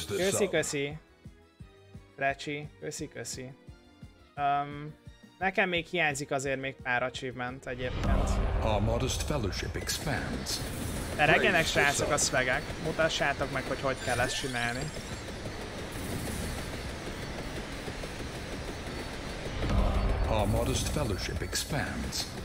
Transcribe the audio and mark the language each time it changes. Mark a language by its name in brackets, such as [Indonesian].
[Hungarian] Köszi-köszi. Recsi, köszi-köszi. Nekem még hiányzik azért még pár achievement egyébként. [English] A Modest Fellowship expands. [Hungarian] Eregjenek srácok a szvegek. Mutassátok meg, hogy hogy kell ezt csinálni. [English] A Modest Fellowship expands.